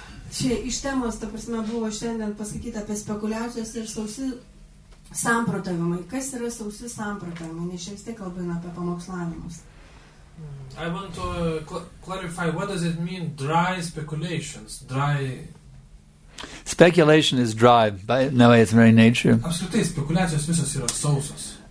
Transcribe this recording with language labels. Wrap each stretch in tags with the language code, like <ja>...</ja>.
<lt>Čia iš temos, ta prasme, buvo šiandien pasakyti apie spekuliacijos ir sausi samprotavimai. Kas yra sausi samprotavimai? Nes šiek tiek kalbina apie pamokslavimus.</lt> <en>I want to clarify, what does it mean, dry speculations? Dry... Speculation is dry, by no way, it's very nature.</en> <lt>Apskritai, spekuliacijos visos yra sausos.</lt>